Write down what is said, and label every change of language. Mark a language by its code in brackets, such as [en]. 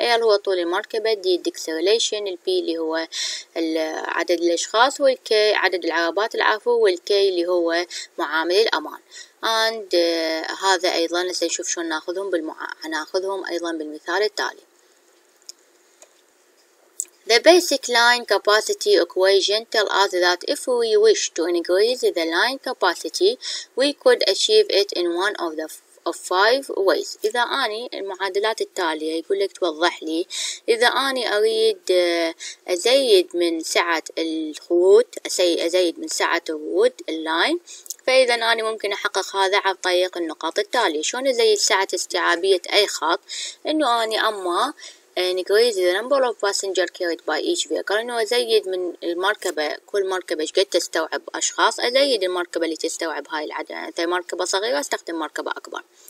[ar] R هو طول المركبة، D الديكسيوليشن، ال P اللي هو عدد الأشخاص، وال K عدد العربات العفو، وال K اللي هو معامل الأمان. and هذا أيضا نشوف شو ناخذهم ناخذهم أيضا بالمثال التالي. [en] The basic line capacity equation tells us that if we wish to increase the line capacity, we could achieve it in one of the five ways. [ar] إذا أني المعادلات التالية يقول لك توضح لي، إذا أني أريد أزيد من سعة الخطوط، أزيد من سعة الخطوط اللاين، فإذا أنا ممكن أحقق هذا عن طريق النقاط التالية. شلون أزيد سعة استيعابية أي خط؟ إنه أني أما [en] increase the number of passenger carried by each vehicle، [ar] إنه أزيد من المركبة، كل مركبة شقد تستوعب أشخاص، أزيد المركبة اللي تستوعب هاي العدد، يعني إذا مركبة صغيرة أستخدم مركبة أكبر.